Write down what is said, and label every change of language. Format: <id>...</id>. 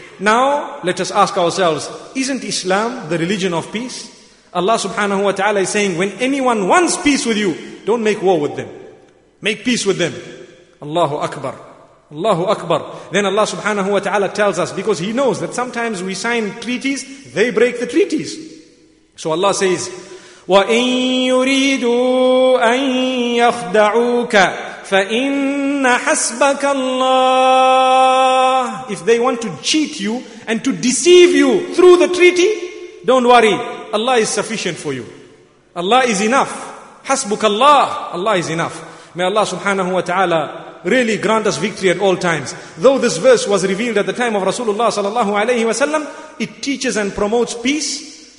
<en>Now, let us ask ourselves, isn't Islam the religion of peace? Allah subhanahu wa ta'ala is saying, when anyone wants peace with you, don't make war with them. Make peace with them. Allahu Akbar. Allahu Akbar. Then Allah subhanahu wa ta'ala tells us, because He knows that sometimes we sign treaties, they break the treaties. So Allah says,</en> <ar>وَإِن يُرِيدُوا أَن يَخْدَعُوكَ فَإِنَّ حَسْبَكَ اللَّهِ.</ar> <en>If they want to cheat you and to deceive you through the treaty, don't worry. Allah is sufficient for you. Allah is enough.</en> <ar>حَسْبُكَ اللَّهِ.</ar> <en>Allah is enough. May Allah subhanahu wa ta'ala really grant us victory at all times. Though this verse was revealed at the time of Rasulullah sallallahu alayhi wa sallam, it teaches and promotes peace.</en>